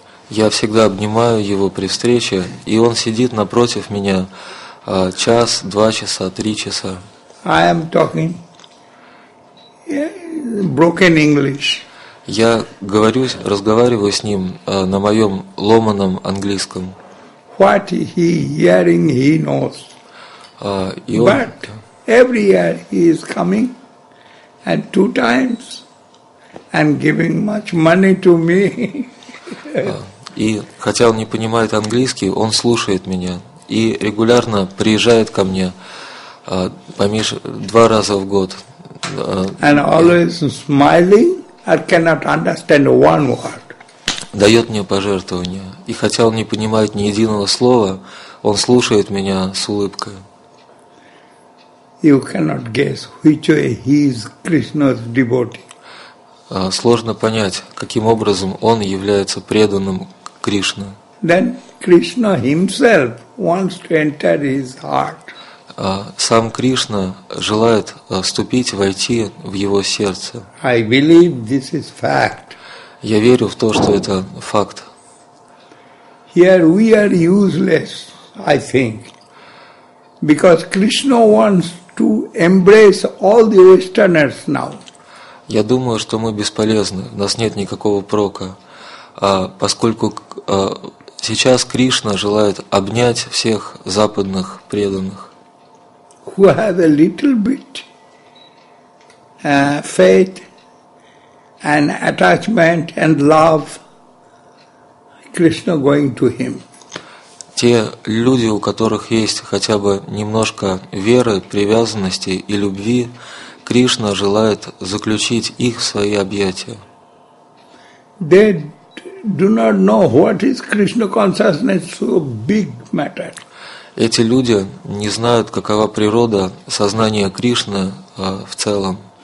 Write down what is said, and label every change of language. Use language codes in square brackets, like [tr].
[ru] Я всегда обнимаю его при встрече, и он сидит напротив меня час, 2 часа, 3 часа. [en] I am talking. Broken English. [ru] Я говорю, разговариваю с ним на моем ломаном английском. [en] What he hearing he knows. But every year he is coming and 2 times and giving much money to me. [ru] И хотя он не понимает английский, он слушает меня и регулярно приезжает ко мне 2 раза в год. [en] And always smiling, I cannot understand one word. [ru] Дает мне пожертвования. И хотя он не понимает ни единого слова, он слушает меня с улыбкой. [en] You cannot guess which way he is Krishna's devotee. [ru] Сложно понять, каким образом он является преданным Кришне. [en] Then Krishna himself wants to enter his heart. [ru] Сам Кришна желает вступить, войти в его сердце. [en] I believe this is fact. [ru] Я верю в то, что это факт. [en] Here we are useless, I think, because Krishna wants to embrace all the Westerners now. [ru] Я думаю, что мы бесполезны, у нас нет никакого прока. поскольку сейчас Кришна желает обнять всех западных преданных. [en] Who have a little bit faith and attachment and love, Krishna going to him. [ru] Те люди, у которых есть хотя бы немножко веры, привязанности и любви, Кришна желает заключить их в свои объятия. [en] They do not know what is Krishna consciousness, so big matter. [ru] Эти люди не знают, какова природа сознания Кришны в целом.